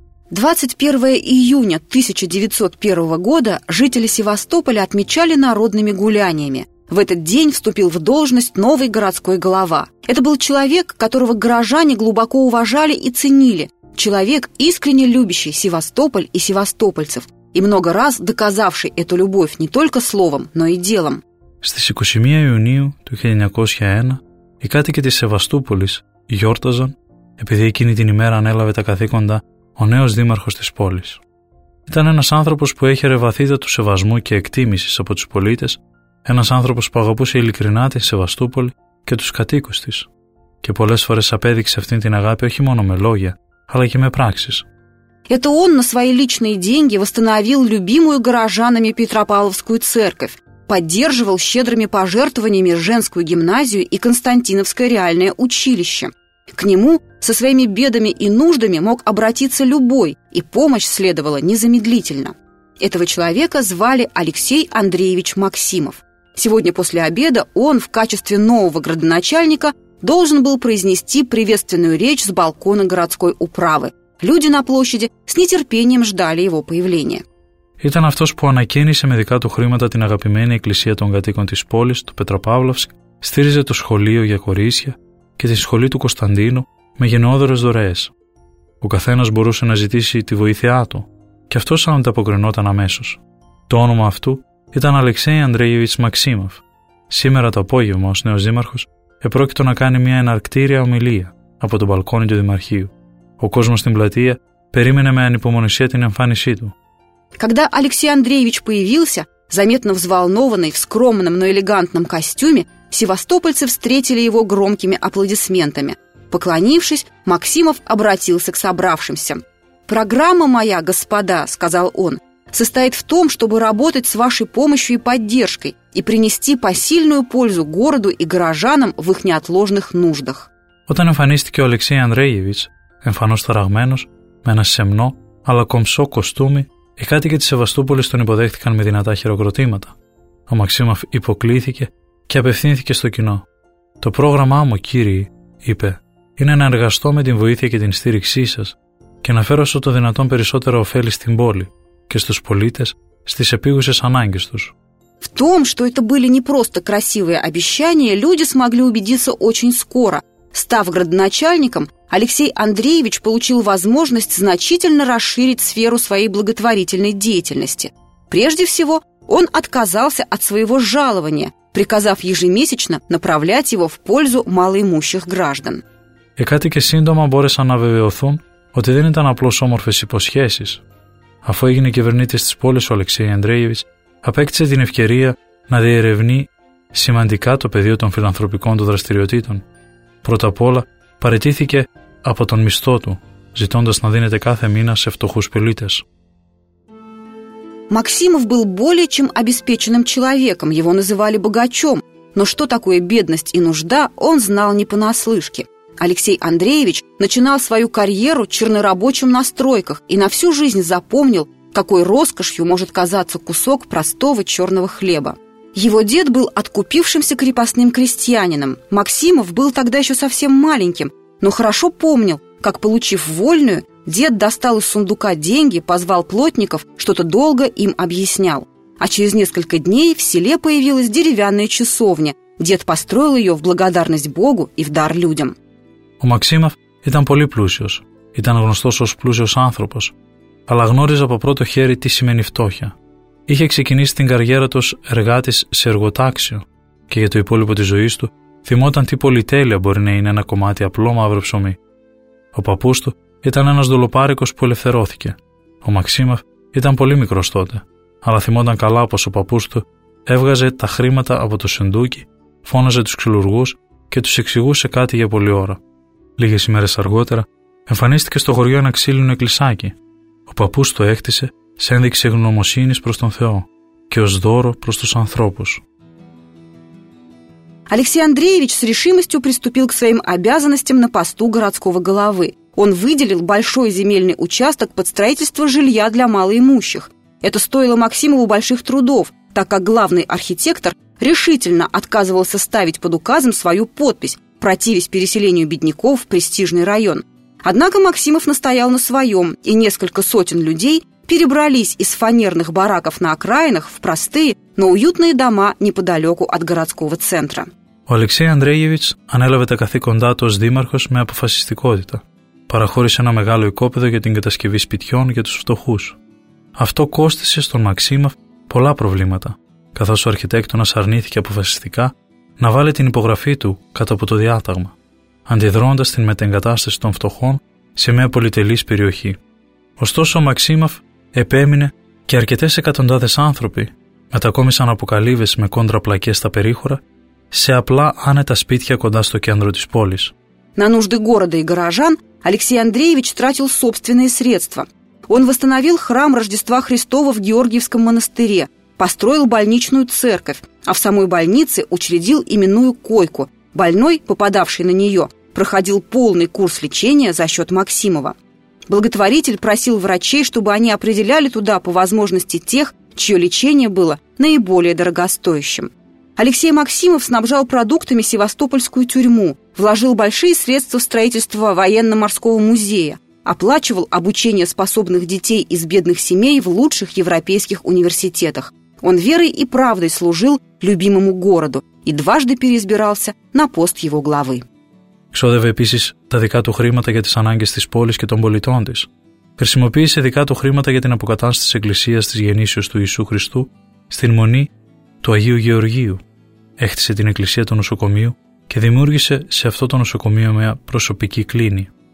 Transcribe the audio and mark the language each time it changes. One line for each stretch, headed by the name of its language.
Russian: 21 июня 1901 года жители Севастополя отмечали народными гуляниями. В этот день вступил в должность новый городской глава. Это был человек, которого горожане глубоко уважали и ценили. Человек, искренне любящий Севастополь и севастопольцев. И много раз доказавший эту любовь не только словом, но и делом.
Greek: Στις 21 Ιουνίου του 1901 οι κάτοικοι της Σεβαστούπολης γιόρταζαν επειδή εκείνη την ημέρα ανέλαβε τα καθήκοντα ο νέος δήμαρχος της πόλης. Ήταν ένας άνθρωπος που έχερε βαθύτατο σεβασμό και εκτίμησης από τους πολίτες. Ένας άνθρωπος που αγαπούσε ειλικρινά τη Σεβαστούπολη και τους κατοίκους της. Και πολλές φορές απέδειξε αυτήν την αγάπη όχι μόνο με λόγια, αλλά και με πράξεις.
Russian: Это он на свои личные деньги восстановил любимую горожанами Петропавловскую церковь, поддерживал щедрыми пожертвованиями женскую гимназию и Константиновское реальное училище. К нему со своими бедами и нуждами мог обратиться любой, и помощь следовала незамедлительно. Этого человека звали Алексей Андреевич Максимов. Сегодня после обеда он в качестве нового градоначальника должен был произнести приветственную речь с балкона городской управы. Люди на площади с нетерпением ждали его появления.
Greek: Ήταν αυτός που ανακαίνισε με δικά του χρήματα την αγαπημένη εκκλησία των κατοίκων της πόλης, του Πετροπαύλωσκ, στήριζε το σχολείο για κορίτσια και τη σχολή του Κωνσταντίνου με γενναιόδωρες δωρεές. Ο καθένας μπορούσε να ζητήσει τη βοήθειά του και αυτός ανταποκρινόταν αμέσως. Το όνομα αυτού ήταν Αλεξέη Ανδρέιεβιτς Μαξίμοφ. Σήμερα το απόγευμα, ως νέος δήμαρχος, επρόκειτο να κάνει μια εναρκτήρια ομιλία από τον μπαλκόνι του Δημαρχείου. Ο κόσμος στην πλατεία περίμενε με ανυπομονησία την εμφάνισή του.
Russian: Когда Алексей Андреевич появился, заметно взволнованный, в скромном, но элегантном костюме, севастопольцы встретили его громкими аплодисментами. Поклонившись, Максимов обратился к собравшимся. «Программа моя, господа, — сказал он, — состоит в том, чтобы работать с вашей помощью и поддержкой и принести посильную пользу городу и горожанам в их неотложных нуждах».
Greek: Όταν εμφανίστηκε ο Алексей Андреевич, εμφανώς ταραγμένος, με ένα σεμνό, αλλά κομψό κοστούμι, οι κάτοικοι της Σεβαστούπολης τον υποδέχτηκαν με δυνατά χειροκροτήματα. Ο Μαξίμοφ υποκλήθηκε και απευθύνθηκε στο κοινό. «Το πρόγραμμά μου, κύριοι», είπε, είναι να εργαστώ με την βοήθεια και την στήριξή σας και να φέρω όσο το δυνατόν περισσότερο ωφέλη στην πόλη και στους πολίτες στις επίγουσες ανάγκες τους.
Russian: В том, что это были не просто красивые обещания, люди смогли убедиться очень скоро. Став градоначальником, Алексей Андреевич получил возможность значительно расширить сферу своей благотворительной деятельности. Прежде всего, он отказался от своего жалования, приказав ежемесячно направлять его в пользу малоимущих граждан.
Greek: И кάτοικοι σύντομα μπόρεσαν να βεβαιωθούν ότι δεν ήταν απλώς όμορφες υποσχέσεις. Αφού έγινε κυβερνήτης της πόλης ο Αλεξέης Ανδρέεβιτς, απέκτησε την ευκαιρία να διερευνεί σημαντικά το πεδίο των φιλανθρωπικών του δραστηριοτήτων. Πρώτα απ' όλα, παραιτήθηκε από τον μισθό του, ζητώντας να δίνεται κάθε μήνα σε φτωχούς πολίτες.
Russian: Максимов был более чем обеспеченным человеком, его называли богачом. Но что такое бедность и нужда, он знал не понаслышке. Алексей Андреевич начинал свою карьеру чернорабочим на стройках и на всю жизнь запомнил, какой роскошью может казаться кусок простого черного хлеба. Его дед был откупившимся крепостным крестьянином. Максимов был тогда еще совсем маленьким, но хорошо помнил, как, получив вольную, дед достал из сундука деньги, позвал плотников, что-то долго им объяснял. А через несколько дней в селе появилась деревянная часовня. Дед построил ее в благодарность Богу и в дар людям.
Greek: У Максимов ήταν πολύ πλούσιος. Ήταν γνωστός ως πλούσιος άνθρωπος. Αλλά γνώριζε από πρώτο χέρι τι σημαίνει φτώχεια. Είχε ξεκινήσει την καριέρα του ως εργάτης σε εργοτάξιο και για το υπόλοιπο της ζωής του θυμόταν τι πολυτέλεια μπορεί να είναι ένα κομμάτι απλό μαύρο ψωμί. Ο παππούς του ήταν ένας δολοπάρικος που ελευθερώθηκε. Ο Μαξίμαφ ήταν πολύ μικρός τότε, αλλά θυμόταν καλά πως ο παππούς του έβγαζε τα χρήματα από το σεντούκι, φώναζε τους ξυλουργούς και τους εξηγούσε κάτι για πολλή ώρα. Λίγες ημέρες αργότερα εμφανίστηκε στο χωριό ένα ξύλινο εκκλησάκι. Ο παππούς το έκτισε σε ένδειξη γνωμοσύνης προς τον Θεό και ως δώρο προς τους ανθρώπους.
Russian: Алексей Андреевич с решимостью приступил к своим обязанностям на посту городского головы. Он выделил большой земельный участок под строительство жилья для малоимущих. Это стоило Максимову больших трудов, так как главный архитектор решительно отказывался ставить под указом свою подпись, противясь переселению бедняков в престижный район. Однако Максимов настоял на своем, и несколько сотен людей перебрались из фанерных бараков на окраинах в простые, но уютные дома неподалеку от городского центра.
Greek: Ο Алексей Андреевич ανέλαβε τα καθήκοντά του ως δήμαρχος με αποφασιστικότητα. Παραχώρησε ένα μεγάλο οικόπεδο για την κατασκευή σπιτιών για τους φτωχούς. Αυτό κόστισε στον Μαξίμαφ πολλά προβλήματα, καθώς ο αρχιτέκτονας αρνήθηκε αποφασιστικά να βάλει την υπογραφή του κάτω από το διάταγμα, αντιδρώντας την μετεγκατάσταση των φτωχών σε μια πολυτελής περιοχή. Ωστόσο, ο Μαξίμαφ επέμεινε και αρκετές εκατοντάδες άνθρωποι μετακόμισαν από καλύβες με κόντρα πλακές στα περίχωρα σε απλά άνετα σπίτια κοντά στο κέντρο της πόλης.
Russian: На нужды города и горожан Алексей Андреевич тратил собственные средства. Он восстановил храм Рождества Христова в Георгиевском монастыре, построил больничную церковь, а в самой больнице учредил именную койку. Больной, попадавший на нее, проходил полный курс лечения за счет Максимова. Благотворитель просил врачей, чтобы они определяли туда по возможности тех, чье лечение было наиболее дорогостоящим. Алексей Максимов снабжал продуктами Севастопольскую тюрьму, вложил большие средства в строительство военно-морского музея, оплачивал обучение способных детей из бедных семей в лучших европейских университетах. Он верой и правдой служил любимому городу и дважды переизбирался на пост его главы.
Greek: Ξόδευε επίσης τα δικά του χρήματα για τις ανάγκες της πόλης και των πολιτών της. Χρησιμοποίησε δικά του χρήματα για την αποκατάσταση της εκκλησίας της γεννήσεως του Ιησού Χριστού στην μονή του Αγίου Γεωργίου. Έχτισε την εκκλησία του νοσοκομείου και δημιούργησε σε αυτό το νοσοκομείο μια προσωπική κλίνη.